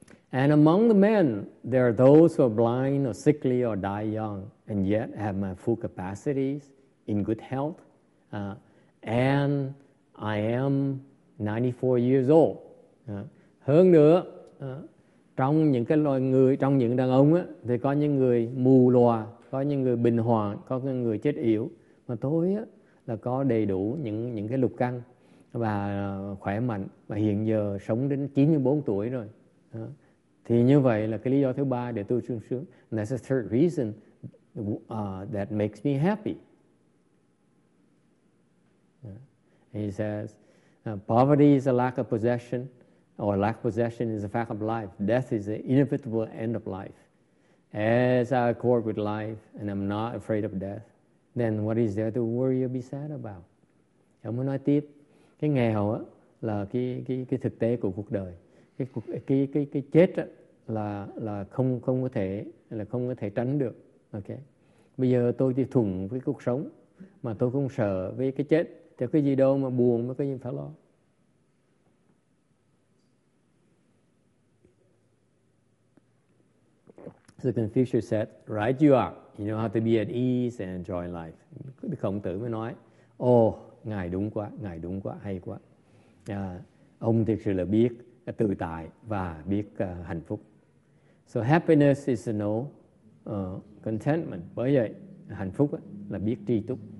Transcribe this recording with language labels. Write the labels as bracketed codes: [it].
[en] And among the men, there are those who are blind or sickly or die young, and yet have my full capacities, in good health, and I am 94 years old. [vi] Hơn nữa, trong những cái loài người, trong những đàn ông á, thì có những người mù lòa, có những người bình hoạn, có những người chết yểu, mà tôi á là có đầy đủ những cái lục căn và khỏe mạnh, và hiện giờ sống đến 94 tuổi rồi. Thì như vậy là cái lý do thứ ba để tôi sung sướng. [en] And that's the third reason that makes me happy. He says, poverty is a lack of possession, or lack of possession is a fact of life. Death is the inevitable end of life. As I accord with life and I'm not afraid of death, then what is there to worry or be sad about? [vi] Ông muốn nói tiếp, cái nghèo á là cái thực tế của cuộc đời. Cái chết á, là không có thể là không có thể tránh được. Ok. Bây giờ tôi thì thủng với cuộc sống mà tôi không sợ với cái chết, thì cái gì đâu mà buồn mới có gì phải lo. [en] So Confucius said, right you are, you know how to be at ease and enjoy life. [vi] Khổng Tử mới nói, oh, ngài đúng quá, hay quá. Ông thực sự là biết tự tại và biết hạnh phúc. [en] So happiness is to know contentment. [vi] Bởi vậy, hạnh phúc là biết tri túc.